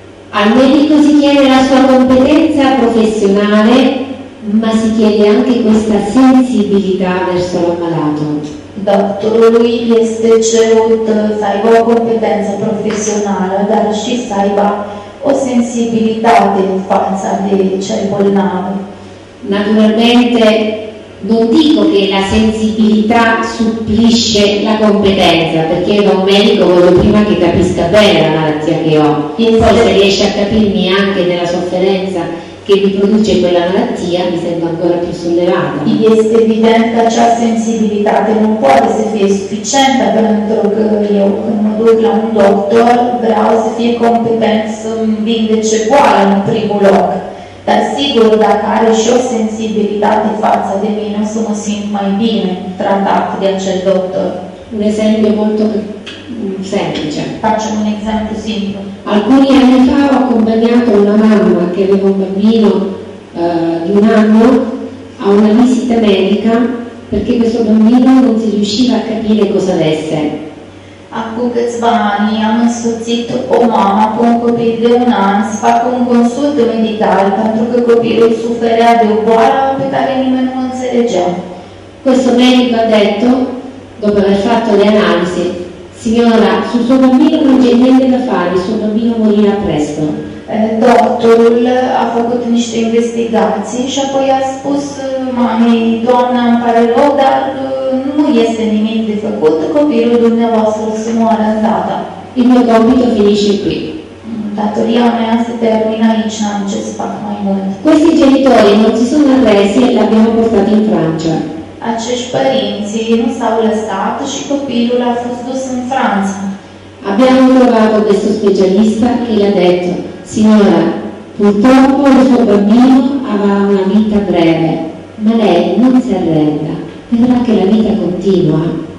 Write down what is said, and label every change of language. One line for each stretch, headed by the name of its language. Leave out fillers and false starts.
Italian: Al medico si chiede la sua competenza profesionale, ma si chiede anche questa sensibilità verso l'ammalato.
Romanian: Doctorului este cerut să aibă o competență profesională, dar și să aibă o sensibilitate în fața de cel bolnav.
Italian: Naturalmente non dico che la sensibilità supplisce la competenza, perché io da un medico voglio prima che capisca bene la malattia che ho, e poi se riesce a capirmi anche nella sofferenza che mi produce quella malattia, mi sento ancora più sollevata. È evidente che la sensibilità non può essere sufficiente, perché io quando
Romanian: mi duc la un dottor vreau să fie competent să vindece boala în primul loc. Dar sigur, dacă are și o sensibilitate față de mine, o să mă simt mai bine tratat de acel doctor.
Italian: Un esempio molto semplice.
Romanian: Facem un exemplu simplu.
Italian: Alcuni anni fa ho accompagnato una mamma che aveva un bambino di un anno a una visita medica perché questo bambino non si riusciva a capire cosa avesse.
Romanian: Acum câțiva ani am însoțit o mamă cu un copil de un an să facă un consult medical pentru că copilul suferea de o boală pe care nimeni nu o înțelegea.
Italian: Questo medico a detto, dopo aver fatto le analisi, signora, sul suo bambino non c'è niente da fare, il suo bambino morirà presto.
Romanian: Doctorul a făcut niște investigații și apoi a spus mamei, doamna, îmi pare rău, dar nu este nimic de făcut, copilul dumneavoastră se moare în data.
Italian: Il mio compito finisce qui.
Romanian: Datoria mea se termină aici, n-am ce să fac mai mult.
Italian: Questi genitori non si sono arresi e l'abbiamo portato in Francia.
Romanian: Acești părinți nu s-au lăsat și copilul a fost dus în Franța.
Italian: Abbiamo trovato questo specialista che gli ha detto, signora, purtroppo il suo bambino avrà una vita breve, ma lei non si arrenda. Vedrà che la vita continua.